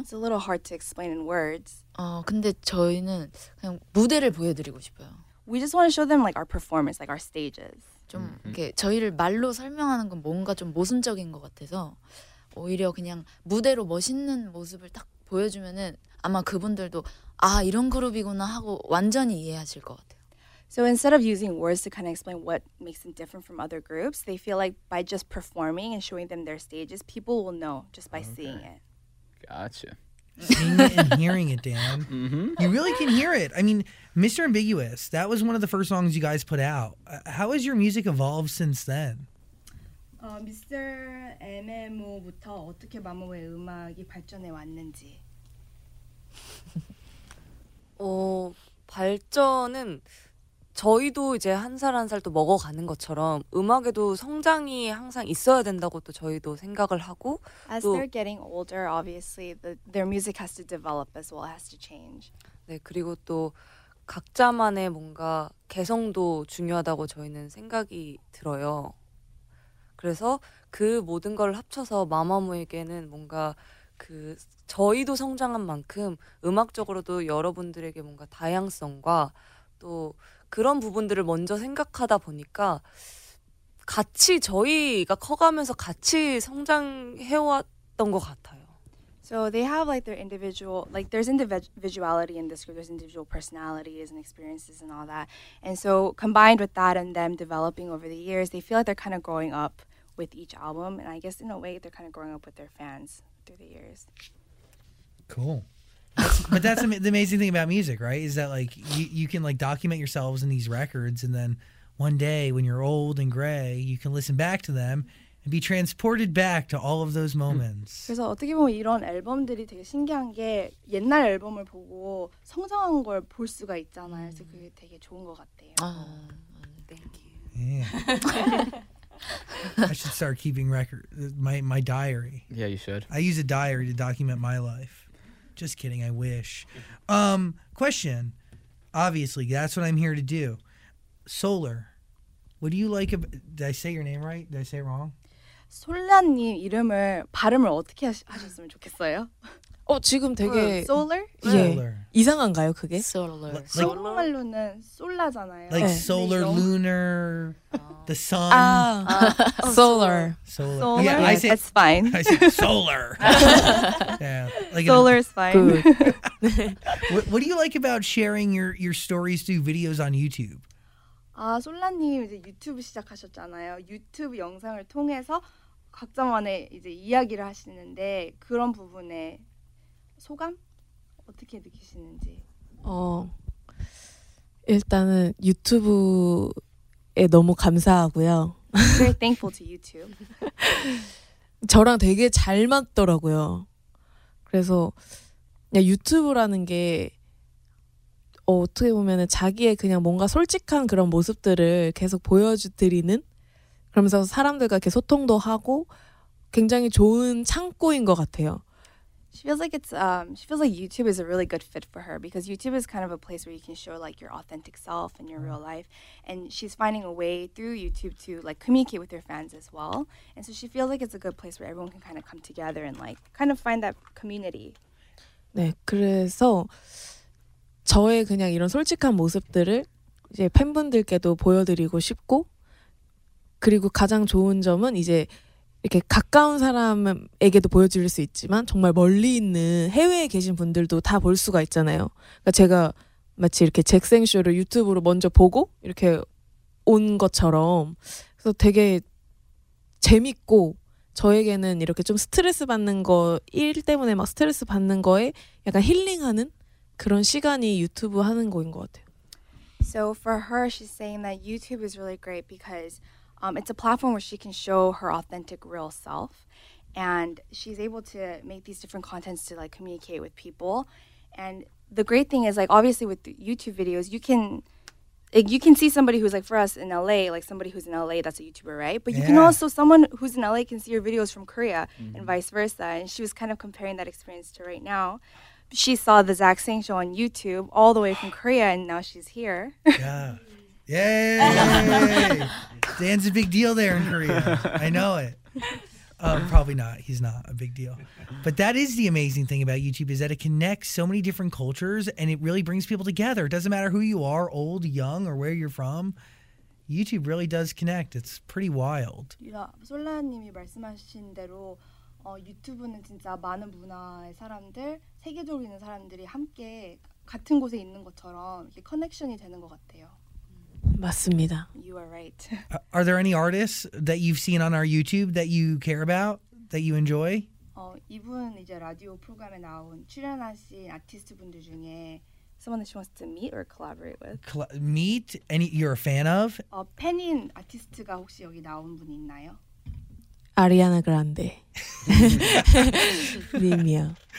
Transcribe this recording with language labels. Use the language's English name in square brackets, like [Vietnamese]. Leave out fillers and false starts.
[English] It's a little hard to explain in words. [Korean] 근데 저희는 그냥 무대를 보여드리고 싶어요. [English] We just want to show them like our performance, like our stages. [Korean] 좀 이렇게 저희를 말로 설명하는 건 뭔가 좀 모순적인 것 같아서 오히려 그냥 무대로 멋있는 모습을 딱 보여주면은 아마 그분들도 아 이런 그룹이구나 하고 완전히 이해하실 것 같아요. [English] So instead of using words to kind of explain what makes them different from other groups, they feel like by just performing and showing them their stages, people will know just by seeing it. Gotcha. Seeing it and hearing it, Dan. You really can hear it. I mean, Mr. Ambiguous, that was one of the first songs you guys put out. How has your music evolved since then? Mr. [Korean] MMO부터 어떻게 마모의 음악이 발전해 왔는지. 발전은... 저희도 이제 한 살 한 살 또 먹어가는 것처럼 음악에도 성장이 항상 있어야 된다고 또 저희도 생각을 하고 [English] As they're getting older, obviously, their music has to develop as well, has to change. [Korean] 네, 그리고 또 각자만의 뭔가 개성도 중요하다고 저희는 생각이 들어요. 그래서 그 모든 걸 합쳐서 마마무에게는 뭔가 그 저희도 성장한 만큼 음악적으로도 여러분들에게 뭔가 다양성과 또 그런 부분들을 먼저 생각하다 보니까 같이 저희가 커가면서 같이 성장해왔던 것 같아요. [English] So they have like their individual, like there's individuality in this group, there's individual personalities and experiences and all that. And so combined with that and them developing over the years, they feel like they're kind of growing up with each album. And I guess in a way, they're kind of growing up with their fans through the years. Cool. But that's the amazing thing about music, right? Is that like you can like document yourselves in these records, and then one day when you're old and gray, you can listen back to them and be transported back to all of those moments. [Korean] 그래서 어떻게 보면 이런 앨범들이 되게 신기한 게 옛날 앨범을 보고 성장한 걸 볼 수가 있잖아요. 그래서 그게 되게 좋은 것 같아요. [English] Thank you. Yeah. I should start keeping record my diary. Yeah, you should. I use a diary to document my life. Just kidding, I wish. Question. Obviously, that's what I'm here to do. Solar, what do you like about... Did I say your name right? Did I say it wrong? [Korean] 솔라님 이름을, 발음을 어떻게 하셨으면 좋겠어요? 지금 되게... [English] Solar? [Korean] Solar. 예. 이상한가요, 그게? [English] Solar. Like, solar? [Korean] 한국말로는 솔라잖아요. [English] Like 네. solar, lunar, the sun. Solar. Solar. Solar. Yeah, yeah, that's fine. I say solar. Yeah, like solar is fine. Good. what do you like about sharing your stories through videos on YouTube? [Korean] 솔라님 이제 유튜브 시작하셨잖아요. 유튜브 영상을 통해서 각자만의 이제 이야기를 하시는데 그런 부분에 소감 어떻게 느끼시는지. 일단은 유튜브에 너무 감사하고요. [English] Very thankful to YouTube. [Korean] 저랑 되게 잘 맞더라고요. 그래서 그냥 유튜브라는 게 어떻게 보면 자기의 그냥 뭔가 솔직한 그런 모습들을 계속 보여드리는 그러면서 사람들과 이렇게 소통도 하고 굉장히 좋은 창고인 것 같아요. [English] She feels like it's she feels like YouTube is a really good fit for her because YouTube is kind of a place where you can show like your authentic self and your real life, and she's finding a way through YouTube to like communicate with her fans as well. And so she feels like it's a good place where everyone can kind of come together and like kind of find that community. [Korean] 네, 그래서 저의 그냥 이런 솔직한 모습들을 이제 팬분들께도 보여드리고 싶고, 그리고 가장 좋은 점은 이제 이렇게 가까운 사람에게도 보여드릴 수 있지만 정말 멀리 있는 해외에 계신 분들도 다 볼 수가 있잖아요. 그러니까 제가 마치 이렇게 잭생쇼를 유튜브로 먼저 보고 이렇게 온 것처럼 그래서 되게 재밌고 저에게는 이렇게 좀 스트레스 받는 거 일 때문에 막 스트레스 받는 거에 약간 힐링하는 그런 시간이 유튜브 하는 거인 것 같아요. [English] So for her, she's saying that YouTube is really great because it's a platform where she can show her authentic real self, and she's able to make these different contents to like communicate with people. And the great thing is, like, obviously with YouTube videos, you can like, you can see somebody who's like for us in LA, like somebody who's in LA that's a YouTuber, right? But you yeah. can also, someone who's in LA can see your videos from Korea mm-hmm. and vice versa. And she was kind of comparing that experience to right now. She saw the Zach Sang show on YouTube all the way from Korea, and now she's here. Yeah. Yay! Dan's a big deal there in Korea. I know it. Probably not. He's not a big deal. But that is the amazing thing about YouTube, is that it connects so many different cultures and it really brings people together. It doesn't matter who you are, old, young, or where you're from. YouTube really does connect. It's pretty wild. Yeah. [Korean] 솔라님이 말씀하신 대로 유튜브는 진짜 많은 문화의 사람들, 세계적으로 있는 사람들이 함께 같은 곳에 있는 것처럼 이렇게 커넥션이 되는 것 같아요. 맞습니다. [English] You are right. Are there any artists that you've seen on our YouTube that you care about, that you enjoy? [Korean] 이분 이제 라디오 프로그램에 나온 출연하신 아티스트 분들 중에 [English] someone that she wants to meet or collaborate with. Meet? Any you're a fan of? [Korean] 팬인 아티스트가 혹시 여기 나온 분 있나요? Ariana Grande. 님이요.